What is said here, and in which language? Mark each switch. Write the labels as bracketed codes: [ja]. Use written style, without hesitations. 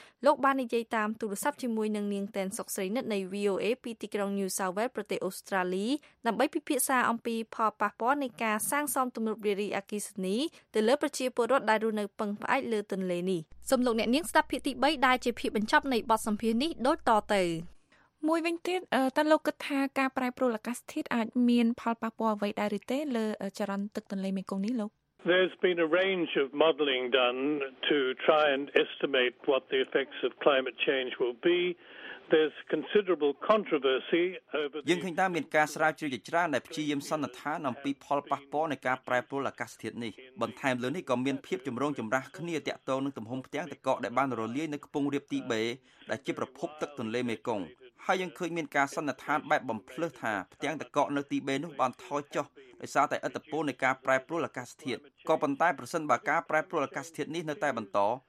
[km] លោកបាននិយាយតាមទូរស័ព្ទជាមួយនឹងនាងតែនសុកស្រីនិតនៃ VOA ពីទីក្រុង New South Wales ប្រទេសអូស្ត្រាលីដើម្បីពិភាក្សាអំពីផលប៉ះពាល់នៃការសាងសង់ទំនប់វារីអគ្គិសនីទៅលើប្រជាពលរដ្ឋដែលរស់នៅពឹងផ្អែកលើទន្លេនេះសំលោកអ្នកនាងស្ដាប់ភាគទី3ដែលជាភាគបញ្ចប់នៃបទសម្ភាសន៍នេះដូចតទៅ មួយវិញទៀតតើលោកគិតថាការប្រែប្រួលអាកាសធាតុអាចមានផលប៉ះពាល់អ្វីដែរឬទេលើចរន្តទឹកទន្លេមេគង្គនេះលោក [en] There's been a range of modeling done to try and estimate what the effects of climate change will be. There's considerable controversy over [km] យើងឃើញថាមានការស្រាវជ្រាវជាច្រើនដែលព្យាយាមសន្និដ្ឋានអំពីផលប៉ះពាល់នៃការប្រែប្រួលអាកាសធាតុនេះបន្ថែមលើនេះក៏មានភាពចម្រូងចម្រាសគ្នាតាក់ទងនឹងទំហំផ្ទាំងទឹកកកដែលបានរលាយនៅខ្ពង់រាបទីបេដែលជាប្រភពទឹកទន្លេមេគង្គហើយយើងឃើញមានការសន្និដ្ឋានបែបបំភ្លឺថាផ្ទាំងទឹកកកនៅទីបេនោះបានថយចុះដោយសារតែឥទ្ធិពលនៃការប្រែប្រួលអាកាសធាតុក៏ប៉ុន្តែប្រសិនបើការប្រែប្រួលអាកាសធាតុនេះនៅតែបន្ត